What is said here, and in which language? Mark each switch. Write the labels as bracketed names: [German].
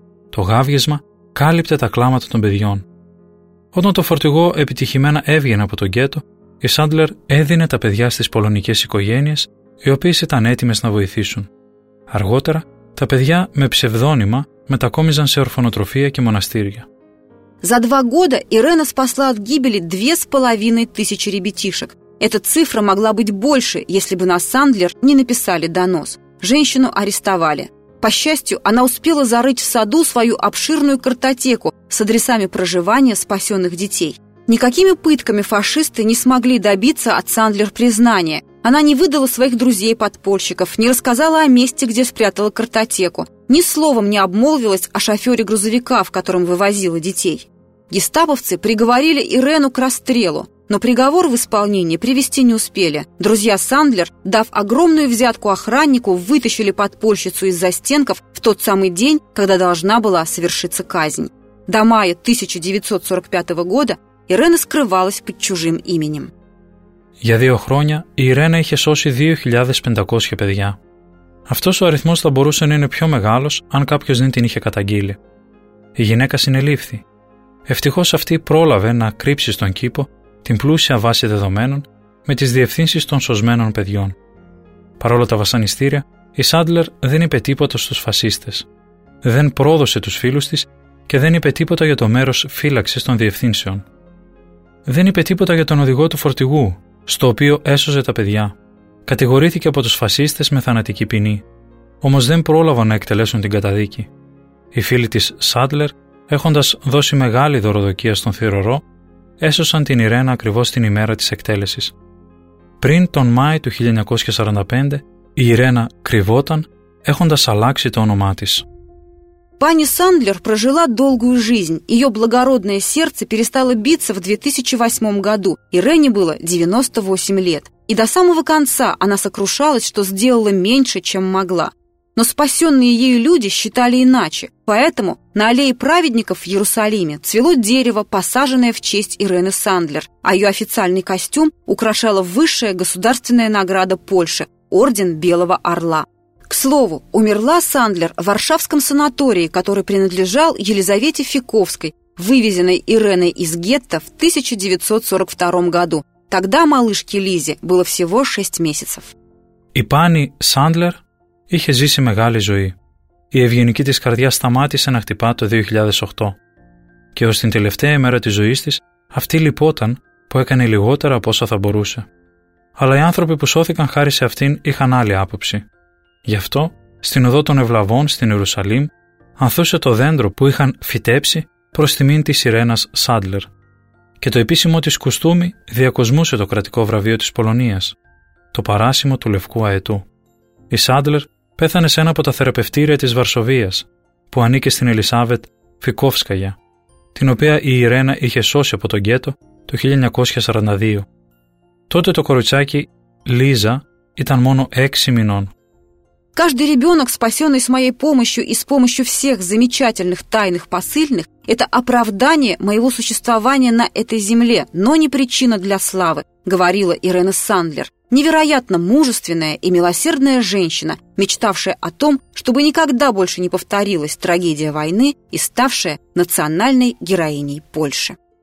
[Greek] Το γάβγισμα κάλυπτε τα κλάματα των παιδιών. Όταν το φορτηγό επιτυχημένα έβγαινε από τον γκέτο, η Σάντλερ έδινε τα παιδιά στις πολωνικές οικογένειες, οι οποίες ήταν έτοιμες να βοηθήσουν. Αργότερα, τα παιδιά με ψευδόνυμα μετακόμιζαν σε ορφανοτροφία και μοναστήρια. [Russian] За два года Ирена спасла от гибели 2500 ребятишек. Эта цифра могла быть больше, если бы на Сандлер не написали донос. Женщину арестовали. По счастью, она успела зарыть в саду свою обширную картотеку с адресами проживания спасенных детей. Никакими пытками фашисты не смогли добиться от Сандлер признания. Она не выдала своих друзей-подпольщиков, не рассказала о месте, где спрятала картотеку, ни словом не обмолвилась о шофере грузовика, в котором вывозила детей. Гестаповцы приговорили Ирену к расстрелу, но приговор в исполнение привести не успели. Друзья Сандлер, дав огромную взятку охраннику, вытащили подпольщицу из застенков в тот самый день, когда должна была совершиться казнь. До мая 1945 года Ирена скрывалась под чужим именем. [Greek] Για δύο χρόνια η Ιρένα είχε σώσει 2.500 παιδιά. Αυτός ο αριθμός θα μπορούσε να είναι πιο μεγάλος αν κάποιος δεν την είχε καταγγείλει. Η γυναίκα συνελήφθη. Ευτυχώς αυτή πρόλαβε να κρύψει στον κήπο την πλούσια βάση δεδομένων με τις διευθύνσεις των σωσμένων παιδιών. Παρόλα τα βασανιστήρια, η Σάντλερ δεν είπε τίποτα στους φασίστες. Δεν πρόδωσε τους φίλους της και δεν είπε τίποτα για το μέρος φύλαξης των διευθύνσεων. Δεν είπε τίποτα για τον οδηγό του φορτηγού, στο οποίο έσωζε τα παιδιά. Κατηγορήθηκε από τους φασίστες με θανατική ποινή. Όμως δεν πρόλαβαν να εκτελέσουν την καταδίκη. Οι φίλοι της Σάντλερ, έχοντας δώσει μεγάλη δωροδοκία στον θηρορό, έσωσαν την Ιρένα ακριβώς την ημέρα της εκτέλεσης. Πριν τον Μάη του 1945, η Ιρένα κρυβόταν, έχοντας αλλάξει το όνομά της. [Russian] Пани Сандлер прожила долгую жизнь. Ее благородное сердце перестало биться в 2008 году. Ирене было 98 лет. И до самого конца она сокрушалась, что сделала меньше, чем могла. Но спасенные ею люди считали иначе. Поэтому на аллее праведников в Иерусалиме цвело дерево, посаженное в честь Ирены Сандлер. А ее официальный костюм украшала высшая государственная награда Польши – Орден Белого Орла. К слову, умерла Сандлер в Варшавском санатории, который принадлежал Елизавете Фиковской, вывезенной Иреной из гетто в 1942 году. Тогда малышке Лизе было всего 6 месяцев. [Greek] Η πάνη Σάντλερ είχε ζήσει μεγάλη ζωή. Η ευγενική της καρδιά σταμάτησε να χτυπά το 2008. Και ως την τελευταία ημέρα της ζωής της, αυτή λυπόταν που έκανε λιγότερα από όσα θα μπορούσε. Αλλά οι άνθρωποι που σώθηκαν χάρη σε αυτήν είχαν άλλη άποψη. Γι' αυτό, στην οδό των Ευλαβών στην Ιερουσαλήμ, ανθούσε το δέντρο που είχαν φυτέψει προς τιμήν της Ιρένας Σάντλερ. Και το επίσημο της κουστούμι διακοσμούσε το κρατικό βραβείο της Πολωνίας, το παράσημο του Λευκού Αετού. Η Σάντλερ πέθανε σε ένα από τα θεραπευτήρια της Βαρσοβίας, που ανήκε στην Ελισάβετ Φικόφσκαγια, την οποία η Ιρένα είχε σώσει από τον γκέτο το 1942. Τότε το κοριτσάκι Λίζα ήταν μόνο 6 μηνών. [Russian] Каждый ребенок, спасенный с моей помощью и с помощью всех замечательных тайных посыльных, это оправдание моего существования на этой земле, но не причина для славы, говорила Ирена Сандлер. Невероятно мужественная и милосердная женщина, мечтавшая о том, чтобы никогда больше не повторилась трагедия войны и ставшая национальной героиней Польши.